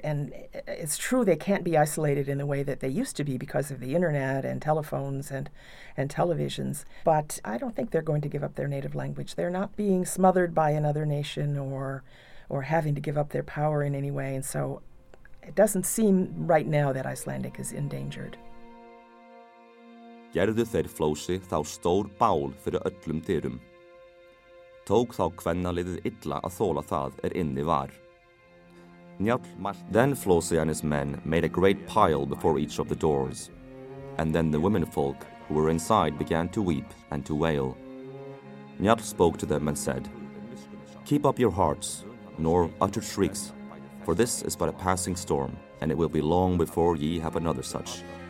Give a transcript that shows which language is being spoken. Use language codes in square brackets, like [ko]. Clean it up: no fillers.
[en] And it's true they can't be isolated in the way that they used to be because of the internet and telephones and televisions. But I don't think they're going to give up their native language. They're not being smothered by another nation or having to give up their power in any way. And so it doesn't seem right now that Icelandic is endangered. [is] Gerðu þeir Flósi þá stór bál fyrir öllum dyrum. Tók þá kvennaliðið illa að þola það inni var. [en] Then Flósi and his men made a great pile before each of the doors. And then the womenfolk who were inside began to weep and to wail. Njall spoke to them and said, "Keep up your hearts, nor utter shrieks, for this is but a passing storm, and it will be long before ye have another such.